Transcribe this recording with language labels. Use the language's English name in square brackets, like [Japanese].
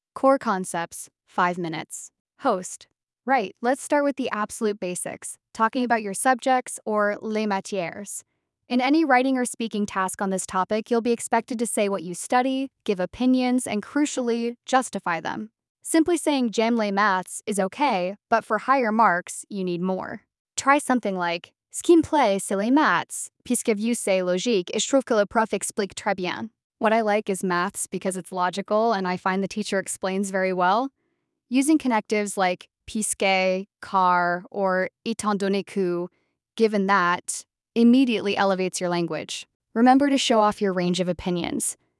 [English] Core concepts, 5 minutes. Host. Right, let's start with the absolute basics, talking about your subjects or les matières. In any writing or speaking task on this topic, you'll be expected to say what you study, give opinions, and crucially, justify them. Simply saying [French] j'aime les maths [English] is okay, but for higher marks, you need more. Try something like, [French] ce qui me plaît, c'est les maths, puisque vu c'est logique, et je trouve que le prof explique très bien. [English] What I like is maths because it's logical and I find the teacher explains very well. Using connectives like puisque, car, or étant donné que, given that, immediately elevates your language. Remember to show off your range of opinions.